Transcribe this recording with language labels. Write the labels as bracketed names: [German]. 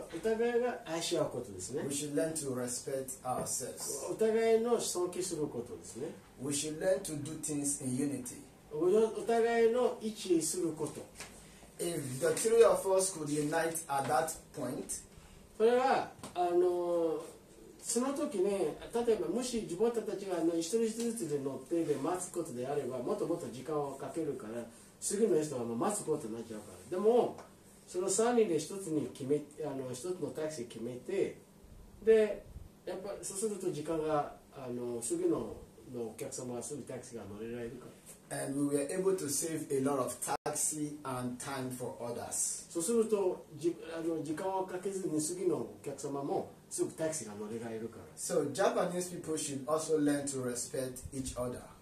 [Japanese] お互いが愛し合うことですね。 [English] We should learn to respect ourselves。 [Japanese] お互いの尊敬することですね。 [English] We should learn to do things in unity。 [Japanese] お互いの一致すること。 [English] If the three of us could unite at that point, [Japanese] それはあのその時ね、例えばもし自分たちが一人ずつで乗ってで待つことであれば、もっともっと時間をかけるから、次の人はもう待つことになっちゃうから。でもその3人で一つのタクシー決めて、でやっぱそうすると時間があの次の。のお客様はすぐタクシーが乗れられるから。 [English] And we were able to save a lot of taxi and time for others. [Japanese] そうすると時間をかけずに次のお客様もすぐタクシーが乗れられるから。 [English] So Japanese people should also learn to respect each other.